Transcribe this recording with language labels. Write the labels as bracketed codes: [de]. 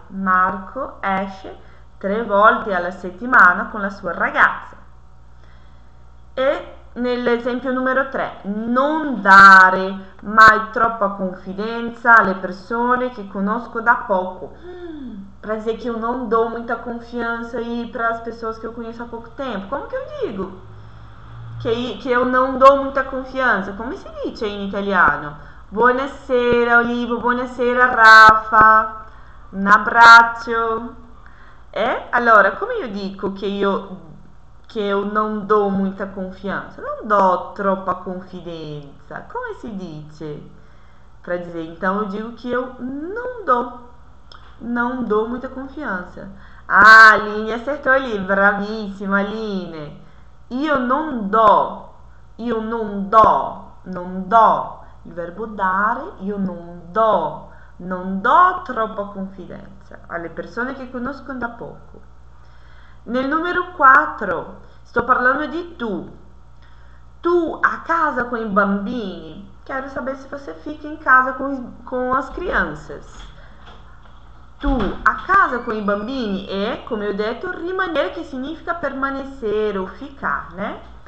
[it] Marco esce 3 volte alla settimana con la sua ragazza. E nell'esempio numero 3, non dare mai troppa confidenza alle persone che conosco da poco. [pt] Pra dizer que eu não dou muita confiança aí para as pessoas que eu conheço há pouco tempo. Como que eu digo? Que eu não dou muita confiança. Como se diz aí em italiano? [it] Buonasera, Olivo. Buonasera, Rafa. Un abbraccio. E allora, come io dico che io non do [pt] muita confiança? [it] Non do troppa confidenza. Come si dice? [pt] Pra dizer, então, eu digo que eu não dou. Não dou muita confiança. Ah, Aline acertou ali. Bravíssima, Aline. [it] Io non do, io non do, non do. Il verbo dare, io non do troppa confidenza alle persone che conosco da poco. Nel numero 4, sto parlando di tu a casa con i bambini. [pt] Quero [it] sapere se [pt] você fica [it] in casa con [pt] as crianças. [it] Tu a casa con i bambini è, come ho detto, rimanere che significa permanere o ficarne.